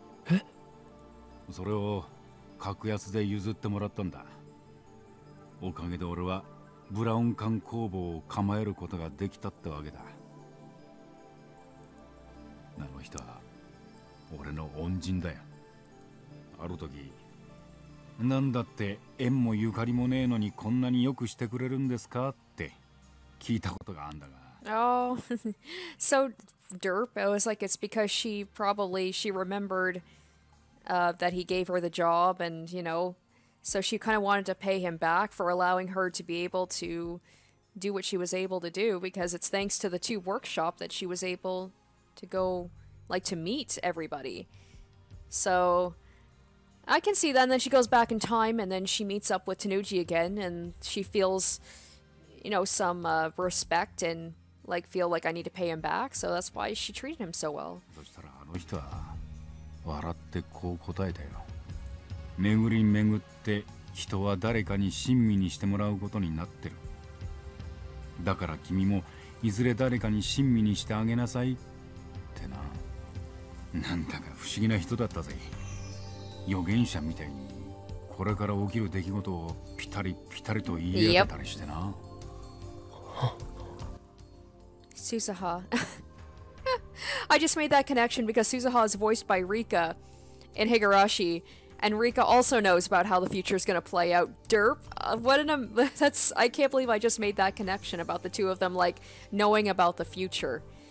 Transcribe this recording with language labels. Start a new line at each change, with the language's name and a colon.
Japanese: え?それを格安で譲ってもらったんだ。おかげで俺はブラウン管工房を構えることができたってわけだ。あの人は俺の恩人だよ。ある時、なんだって縁もゆかりもねえのにこんなによくしてくれるんですかって聞いたことがあんだが。
English: Oh, so derp. I was like, it's because she probably, she remembered that he gave her the job and, you know, so she kind of wanted to pay him back for allowing her to be able to do what she was able to do, because it's thanks to the two workshop that she was able to go, like, to meet everybody. So I can see that. And then she goes back in time and then she meets up with Tennoji again and she feels, you know, some respect and like feel like I need to pay him back, so that's why she treated him so well.
Japanese: そしたらあの人は笑ってこう答えたよ。巡り巡って人は誰かに親身にしてもらうことになってる。だから君もいずれ誰かに親身にしてあげなさいってな。なんだか不思議な人だったぜ。預言者みたいにこれから起きる出来事をピタリピタリと言い当てたりしてな。
English: Susaha. I just made that connection because Susaha is voiced by Rika in Higurashi, and Rika also knows about how the future is going to play out. Derp. I can't believe I just made that connection about the two of them, like, knowing about the future.